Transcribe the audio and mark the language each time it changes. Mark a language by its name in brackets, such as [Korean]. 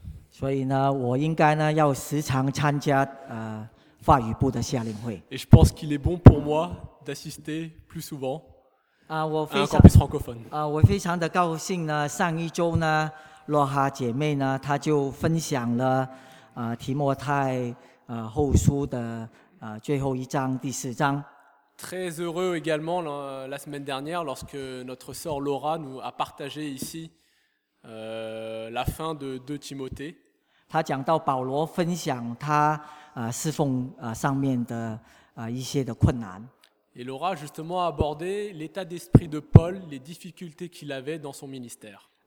[Chinese] 所以呢，我应该呢要时常参加法语部的夏令会。 [French] Et je pense qu'il est bon pour moi d'assister plus souvent. [Chinese] 我非常的高兴呢。上一周呢，洛哈姐妹呢，她就分享了提摩太后书的最后一章第四章。 [French] Très heureux également la semaine dernière lorsque notre sœur Laura nous a partagé ici la fin de 2 Timothée. [Chinese] 他讲到保罗分享他侍奉上面的一些的困难。 [French] Et Laura justement a abordé l'état d'esprit de Paul, les difficultés qu'il avait dans son ministère.